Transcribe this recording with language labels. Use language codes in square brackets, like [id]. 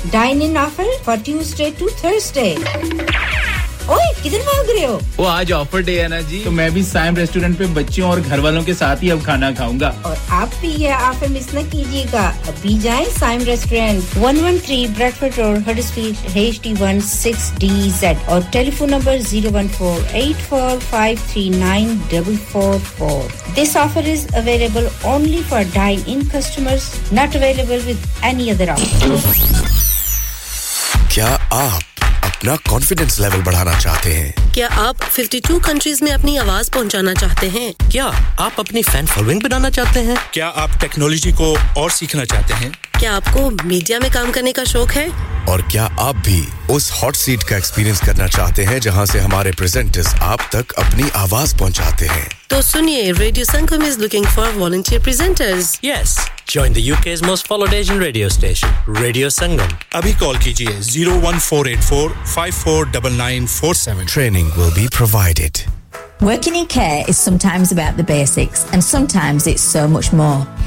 [en] Dine-in offer for Tuesday to Thursday. [hi] ओए किधर भाग रहे हो? वो आज ऑफर डे है ना जी, तो मैं भी साइम रेस्टोरेंट पे बच्चों और घर वालों के साथ ही अब खाना खाऊंगा। और आप भी ये ऑफर मिस ना कीजिएगा, अभी जाएं Saim restaurant, 113 Bradford road, Huddersfield, HD16DZ और telephone number 01484539444. This offer is available only for dine-in customers, not available with any other offer. क्या आप अपना कॉन्फिडेंस लेवल बढ़ाना चाहते हैं? क्या आप 52 कंट्रीज में अपनी आवाज पहुंचाना चाहते हैं? क्या आप अपनी फैन फॉलोइंग बनाना चाहते हैं? क्या आप टेक्नोलॉजी को और सीखना चाहते हैं? क्या आपको मीडिया में काम करने का शौक है? और क्या आप भी उस हॉट सीट का एक्सपीरियंस करना चाहते हैं जहां से हमारे प्रेजेंटर्स आप तक अपनी आवाज पहुंचाते हैं? तो सुनिए, [en] Radio Sangam is looking for volunteer presenters. Yes, join the UK's most followed Asian radio station, Radio Sangam. [hi] Abhi call kijiye 01484-549947. [en] Training will be provided. Working in care is sometimes about the basics and sometimes it's so much more.